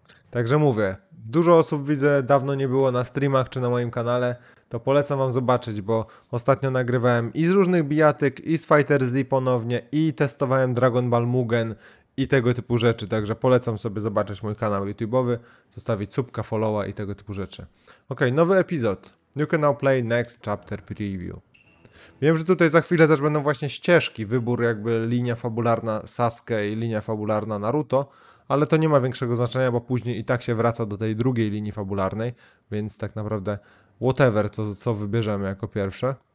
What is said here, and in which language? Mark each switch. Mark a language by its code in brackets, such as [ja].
[pl] Także mówię, dużo osób widzę, dawno nie było na streamach czy na moim kanale, to polecam wam zobaczyć, bo ostatnio nagrywałem i z różnych bijatyk, i z FighterZ ponownie, i testowałem Dragon Ball Mugen i tego typu rzeczy, także polecam sobie zobaczyć mój kanał YouTube'owy, zostawić subka, followa i tego typu rzeczy. Okej, okay, nowy epizod. [en] You can now play next chapter preview. [pl] Wiem, że tutaj za chwilę też będą właśnie ścieżki, wybór jakby linia fabularna Sasuke i linia fabularna Naruto, ale to nie ma większego znaczenia, bo później i tak się wraca do tej drugiej linii fabularnej, więc tak naprawdę whatever, co wybierzemy jako pierwsze.